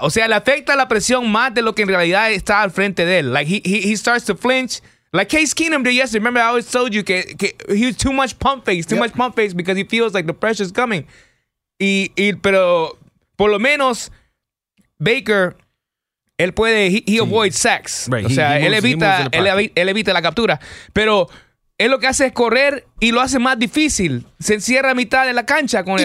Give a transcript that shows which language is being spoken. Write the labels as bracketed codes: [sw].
[es] O sea, le afecta la presión más de lo que en realidad está al frente de él. [en] Like, he starts to flinch. Like Case Keenum did yesterday. Remember, I always told you [es] que [en] he was too much pump face, much pump face because he feels like the pressure's coming. [es] Pero por lo menos Baker, él puede, [en] he avoids sacks. Right. [es] O sea, él evita la captura. Pero... Él lo que hace es correr y lo hace más difícil. Se encierra a mitad de la cancha con él.